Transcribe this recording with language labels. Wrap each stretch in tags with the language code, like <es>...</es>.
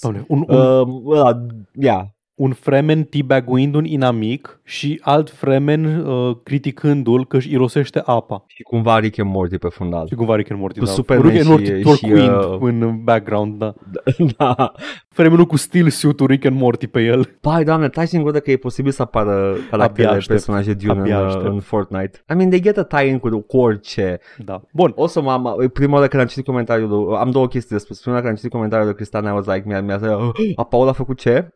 <ro>Doamne, un fremen teabag-uind un inamic și alt fremen criticându-l că își irosește apa. Și cumva Rick and Morty pe fundal. Și cumva Rick and Morty, cu da. Super Rick and Morty Torquind în background, da. Da. Fremenul cu steel suit-ul Rick and Morty pe el. Pai, doamne, tai și-mi gândă că e posibil să apară caracterele personaje Dune în Fortnite.</ro> <en>I mean, they get a tie-in</en> <ro>cu orice. Da. Bun. O să mă... Prima oară când am citit comentariul... Am două chestii de spus. Prima oară când am citit comentariul de Cristian,</ro> <en>I was like,</en> <ro>mi-a zis, a Paul a făcut ce?</ro>